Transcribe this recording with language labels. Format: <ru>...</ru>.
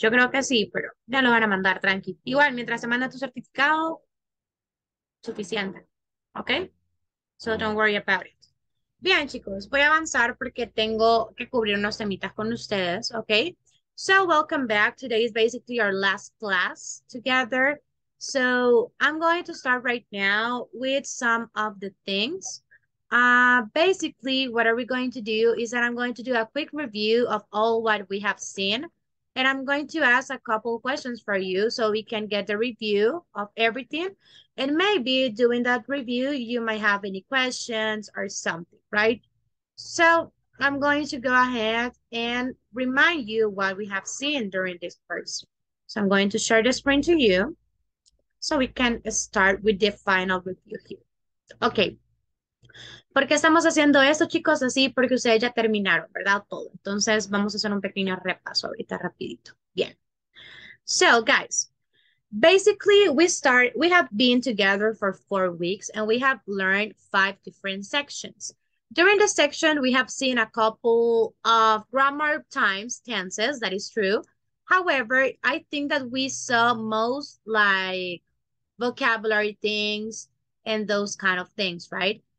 <es>Yo creo que sí, pero ya lo van a mandar, tranqui. Igual, mientras se manda tu certificado, suficiente. ¿Ok?</es> <en>So don't worry about it.</en> <es>Bien, chicos, voy a avanzar porque tengo que cubrir unos temitas con ustedes.</es> <en>¿Ok? So welcome back. Today is basically our last class together. So I'm going to start right now with some of the things. Basically, what are we going to do is that I'm going to do a quick review of all what we have seen, and I'm going to ask a couple questions for you so we can get the review of everything. And maybe during that review, you might have any questions or something, right? So I'm going to go ahead and remind you what we have seen during this course. So I'm going to share the screen to you so we can start with the final review here.</en> <es>Okay. ¿Por qué estamos haciendo esto, chicos? Así, porque ustedes ya terminaron, ¿verdad? Todo. Entonces, vamos a hacer un pequeño repaso ahorita rapidito. Bien.</es> <en>So, guys, basically, we have been together for 4 weeks and we have learned five different sections. During this section, we have seen a couple of grammar times tenses, that is true. However, I think that we saw most like vocabulary things and those kind of things, right?</en>